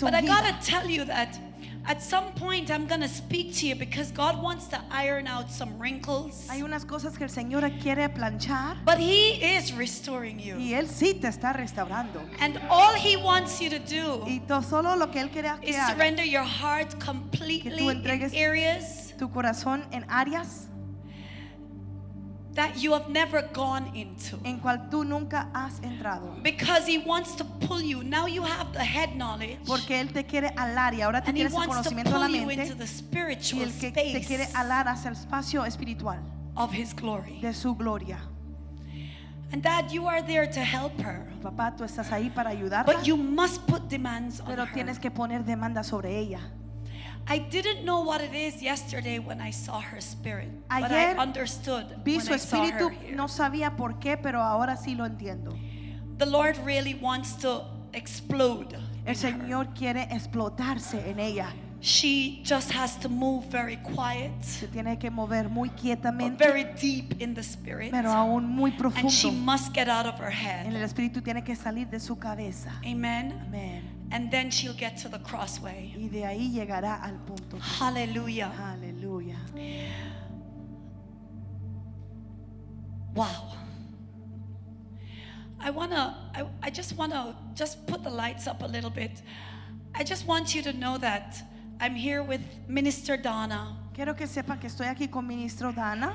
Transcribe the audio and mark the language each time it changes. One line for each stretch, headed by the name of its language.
English: but ungida. I gotta tell you that at some point I'm gonna speak to you because God wants to iron out some wrinkles.
Spanish: Hay unas cosas que el Señor quiere planchar.
English: But He is restoring you.
Spanish: Y él sí te está restaurando.
English: And all He wants you to do.
Spanish: Y todo solo lo que él quiere hacer.
English: Is surrender your heart completely
Spanish: que tú entregues
English: in areas.
Spanish: Tu corazón en áreas.
English: That you have never gone into.
Spanish: En cual tú nunca has entrado.
English: Because he wants to pull you. Now you have the head knowledge.
Spanish: Porque él te quiere alar y ahora tú tienes el conocimiento de la mente.
English: And he wants to pull you into the spiritual space.
Spanish: Y él que te quiere alar hacia el espacio espiritual.
English: Of his glory.
Spanish: De su gloria.
English: And Dad, you are there to help her.
Spanish: Papá, tú estás ahí para ayudarla.
English: But you must put demands on her.
Spanish: Pero tienes que poner demandas sobre ella.
English: I didn't know what it is yesterday when I saw her spirit, but
Spanish: ayer,
English: I understood
Spanish: vi
English: when
Spanish: su espíritu,
English: I saw her here.
Spanish: No sabía por qué, pero ahora sí lo entiendo.
English: The Lord really wants to explode.
Spanish: El Señor
English: in her.
Spanish: Quiere explotarse en ella.
English: She just has to move very quiet.
Spanish: Se tiene que mover muy quietamente.
English: Very deep in the spirit.
Spanish: Pero aún muy profundo.
English: And she must get out of her head.
Spanish: En el espíritu tiene que salir de su cabeza.
English: Amen.
Spanish: Amen.
English: And then she'll get to the crossway.
Spanish: Y de ahí llegará al punto.
English: Hallelujah.
Spanish: Hallelujah.
English: Wow. I just want to put the lights up a little bit. I just want you to know that I'm here with Minister Donna.
Spanish: Quiero que sepan que estoy aquí con Ministro Donna.